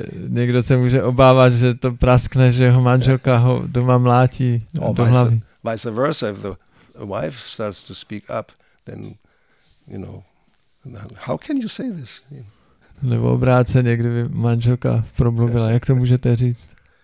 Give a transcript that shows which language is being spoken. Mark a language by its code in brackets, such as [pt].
[cs] někdo se může obávat, že to praskne, že jeho manželka ho doma mlátí do hlavy. [en] Vice versa, if the wife starts to speak up, then, you know, how can you say this? [cs] Nebo obráceně, kdyby manželka promluvila, jak to můžete říct?